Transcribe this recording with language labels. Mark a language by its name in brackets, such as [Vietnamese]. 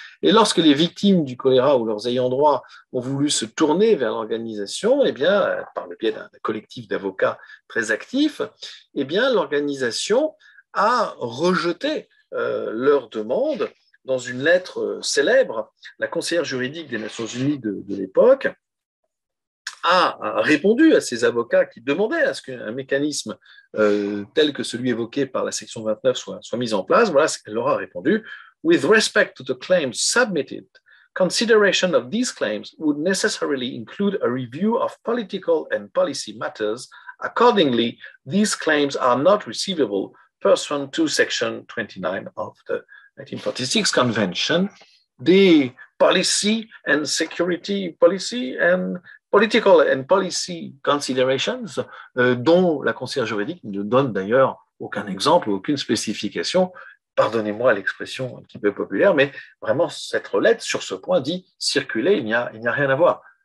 [French] Et lorsque les victimes du choléra ou leurs ayants droit ont voulu se tourner vers l'organisation, eh bien, par le biais d'un collectif d'avocats très actifs, eh bien, l'organisation a rejeté leur demande dans une lettre célèbre. La conseillère juridique des Nations Unies de l'époque a répondu à ces avocats qui demandaient à ce qu'un mécanisme tel que celui évoqué par la section 29 soit mis en place. Voilà ce qu'elle leur a répondu. [English] « With respect to the claims submitted, consideration of these claims would necessarily include a review of political and policy matters. Accordingly, these claims are not receivable pursuant to section 29 of the 1946 convention. The policy and security policy and political and policy considerations, [French] dont la conseillère juridique ne donne d'ailleurs aucun exemple, aucune spécification, pardonnez-moi l'expression un petit peu populaire, mais vraiment cette lettre sur ce point dit circuler, il n'y a rien à voir.